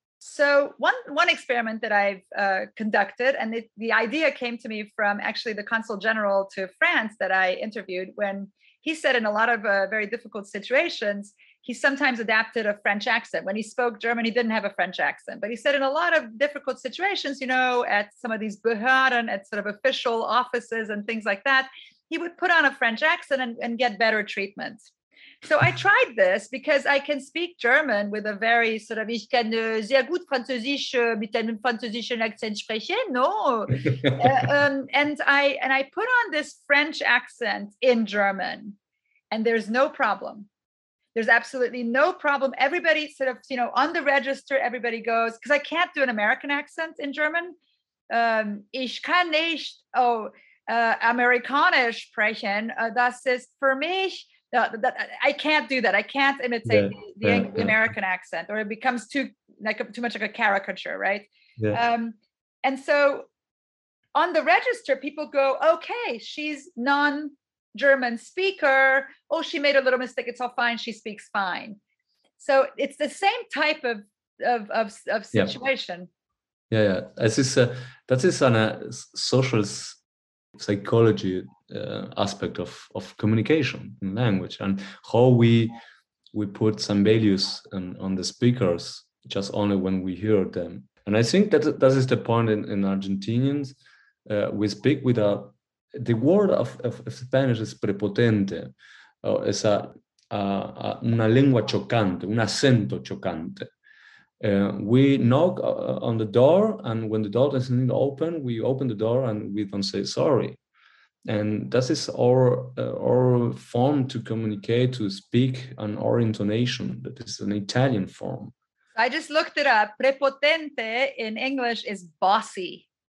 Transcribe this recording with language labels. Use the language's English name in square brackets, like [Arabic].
[English] So one experiment that I've conducted, and the idea came to me from actually the consul general to France that I interviewed, when he said in a lot of very difficult situations, he sometimes adapted a French accent. When he spoke German, he didn't have a French accent. But he said in a lot of difficult situations, you know, at some of these Behörden, at sort of official offices and things like that, he would put on a French accent and get better treatment. So I tried this because I can speak German with a very sort of, [German] ich kann sehr gut Französisch mit einem französischen Akzent sprechen, [English] no. And I put on this French accent in German, and there's no problem. There's absolutely no problem. Everybody sort of, you know, on the register, everybody goes, because I can't do an American accent in German. [German] Ich kann nicht Amerikanisch sprechen. Das ist für mich. [English] I can't do that. I can't imitate the American accent, or it becomes too much like a caricature, right? Yeah. And so on the register, people go, okay, she's non-German speaker. Oh, she made a little mistake. It's all fine. She speaks fine. So it's the same type of situation. Yeah. That is a social psychology aspect of communication and language, and how we put some values on the speakers just only when we hear them. And I think that is the point in Argentinians. We speak with the word of Spanish is prepotente. [Spanish] Es una lengua chocante, un acento chocante. [English] We knock on the door, and when the door doesn't open, we open the door and we don't say sorry. And that is our form to communicate, to speak, and our intonation. That is an Italian form. I just looked it up. Prepotente in English is bossy.